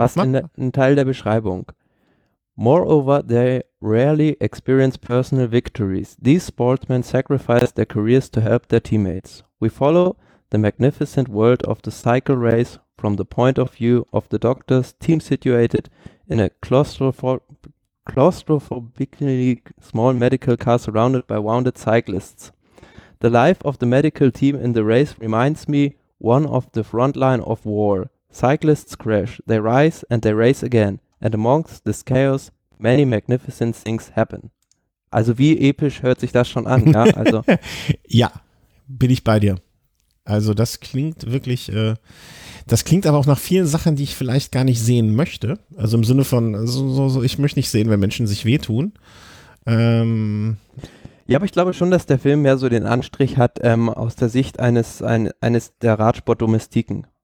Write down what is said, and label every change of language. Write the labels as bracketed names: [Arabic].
[German] was in ein Teil der Beschreibung. [English] Moreover, they rarely experience personal victories. These sportsmen sacrifice their careers to help their teammates. We follow the magnificent world of the cycle race from the point of view of the doctors, team situated in a claustrophobically small medical car surrounded by wounded cyclists. The life of the medical team in the race reminds me one of the front line of war. Cyclists crash, they rise and they race again. And amongst this chaos, many magnificent things happen. [German] Also wie episch hört sich das schon an, ja? Also ja, bin ich bei dir. Also das klingt wirklich, das klingt aber auch nach vielen Sachen, die ich vielleicht gar nicht sehen möchte. Also im Sinne von, ich möchte nicht sehen, wenn Menschen sich wehtun. Ja, aber ich glaube schon, dass der Film mehr so den Anstrich hat aus der Sicht eines der Radsportdomestiken.